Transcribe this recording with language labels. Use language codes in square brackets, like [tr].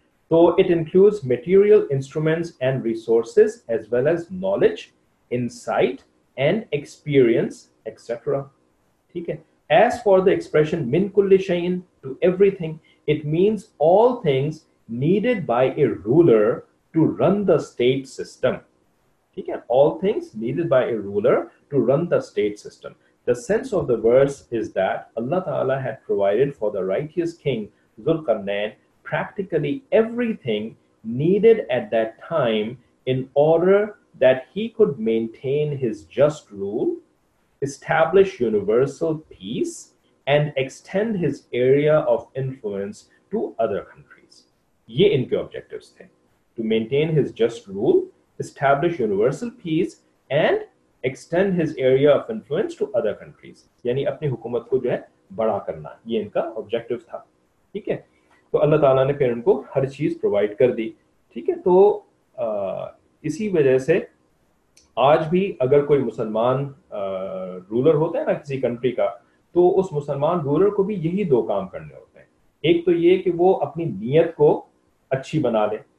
[en] تو it includes material instruments and resources as well as knowledge insight and experience et cetera. [ur] ٹھیک ہے, [en] as far the expression [ar] من کل شیئن [en] To everything, it means all things needed by a ruler to run the state system. [ur] ٹھیک ہے, [en] all things needed by a ruler to run the state system. The sense of the verse is that Allah Ta'ala had provided for the righteous king Zulqarnain practically everything needed at that time in order that he could maintain his just rule, establish universal peace, and extend his area of influence to other countries. [ur] یہ ان کے objectives تھے, [en] to maintain his just rule, establish universal peace, and extend his area of influence to other countries. [ur] یعنی اپنی حکومت کو جو ہے بڑا کرنا, یہ ان کا objective تھا. ٹھیک ہے, تو اللہ تعالیٰ نے پھر ان کو ہر چیز پرووائڈ کر دی. ٹھیک ہے, تو اسی وجہ سے آج بھی اگر کوئی مسلمان رولر ہوتا ہے نا کسی کنٹری کا, تو اس مسلمان رولر کو بھی یہی دو کام کرنے ہوتے ہیں. ایک تو یہ کہ وہ اپنی نیت کو اچھی بنا لے,